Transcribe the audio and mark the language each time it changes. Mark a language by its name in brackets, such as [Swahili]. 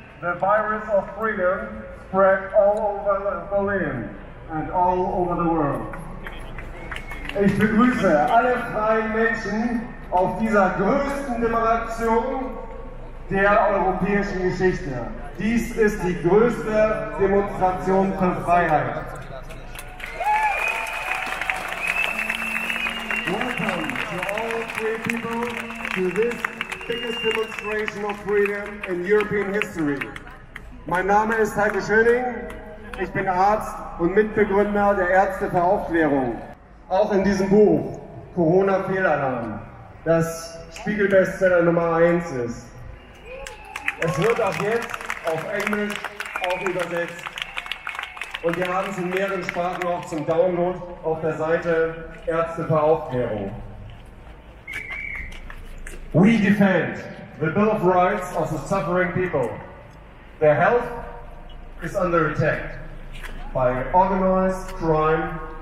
[English] The virus of freedom spread all over Berlin and all over the world. [German] Ich begrüße alle freien Menschen auf dieser größten Demonstration der europäischen Geschichte. Dies ist die größte Demonstration für Freiheit. [English] Welcome to all free people to this biggest demonstration of freedom in European history. [German] Mein Name ist Heike Schöning, ich bin Arzt und Mitbegründer der Ärzte für Aufklärung. Auch in diesem Buch, Corona-Fehlalarm, das Spiegel-Bestseller Nummer 1 ist. Es wird auch jetzt auf Englisch auch übersetzt. Und wir haben es in mehreren Sprachen auch zum Download auf der Seite Ärzte für Aufklärung. [English] We defend the Bill of Rights of the suffering people. Their health is under attack by organized crime.